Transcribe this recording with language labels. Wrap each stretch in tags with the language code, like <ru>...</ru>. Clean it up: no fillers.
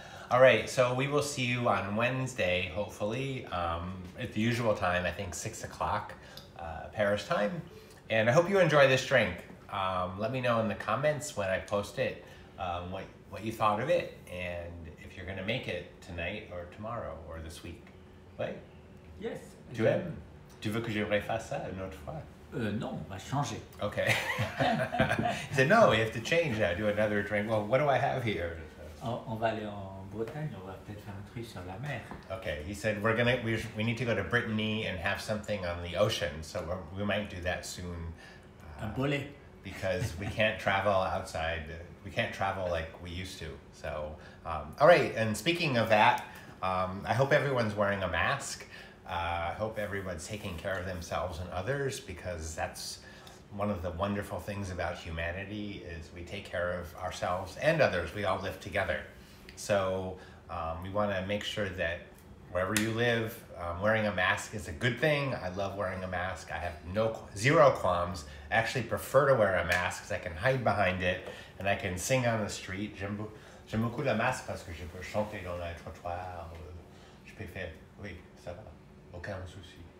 <en>All right, so we will see you on Wednesday, hopefully, at the usual time, I think 6 o'clock Paris time. And I hope you enjoy this drink. Let me know in the comments when I post it what you thought of it and if you're gonna make it tonight or tomorrow or this week, right? Yes.</en> <fr>Tu aimes? Tu veux que je refasse ça une autre fois? Non, va changer.</fr> <en>Okay. He said, no, we have to change that, do another drink. Well, what do I have here?</en> <fr>On va aller en... Bretagne, on va peut-être faire un truc sur la mer.</fr> <en>Okay, he said we need to go to Brittany and have something on the ocean, so we might do that soon.</en> <fr>Un bolet.</fr> <en>Because we can't travel outside, we can't travel like we used to. So, all right, and speaking of that, I hope everyone's wearing a mask. I hope everyone's taking care of themselves and others, because that's one of the wonderful things about humanity is we take care of ourselves and others. We all live together. So we want to make sure that wherever you live, wearing a mask is a good thing. I love wearing a mask. I have zero qualms. I actually prefer to wear a mask because I can hide behind it and I can sing on the street.</en> <fr>J'aime beaucoup le masque parce que je peux chanter dans les trottoirs. Je peux faire, oui, ça va, aucun souci.</fr>